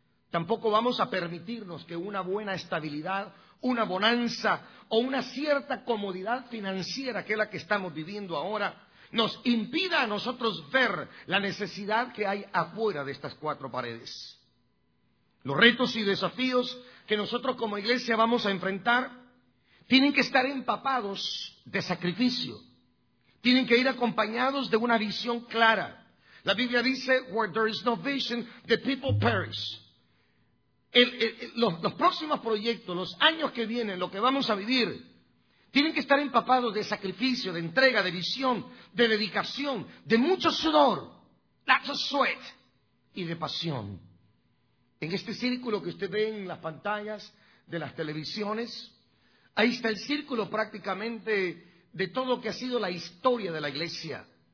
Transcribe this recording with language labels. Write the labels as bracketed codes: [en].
[es] Tampoco vamos a permitirnos que una buena estabilidad, una bonanza o una cierta comodidad financiera, que es la que estamos viviendo ahora, nos impida a nosotros ver la necesidad que hay afuera de estas cuatro paredes. Los retos y desafíos que nosotros como iglesia vamos a enfrentar tienen que estar empapados de sacrificio. Tienen que ir acompañados de una visión clara. La Biblia dice, [en] where there is no vision, the people perish. [es] Los próximos proyectos, los años que vienen, lo que vamos a vivir, tienen que estar empapados de sacrificio, de entrega, de visión, de dedicación, de mucho sudor, [en] lots of sweat, [es] y de pasión. En este círculo que usted ve en las pantallas de las televisiones, ahí está el círculo prácticamente de todo lo que ha sido la historia de la iglesia.